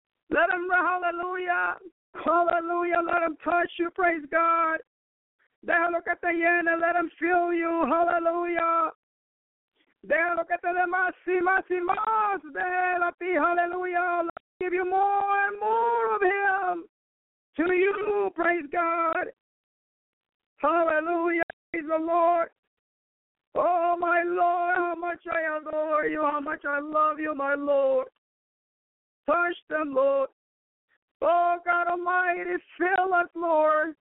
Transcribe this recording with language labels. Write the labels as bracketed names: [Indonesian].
[English] Let him, hallelujah, hallelujah, let him touch you, praise God. [Spanish] Déjalo que te llene, [English] let him fill you, [Spanish] hallelujah. Déjalo que te dé más y más y más de él a ti, hallelujah. [English] Let him give you more and more of him to you, praise God. Hallelujah, praise the Lord. Oh, my Lord, how much I adore you, how much I love you, my Lord. Touch them, Lord. Oh, God Almighty, fill us, Lord.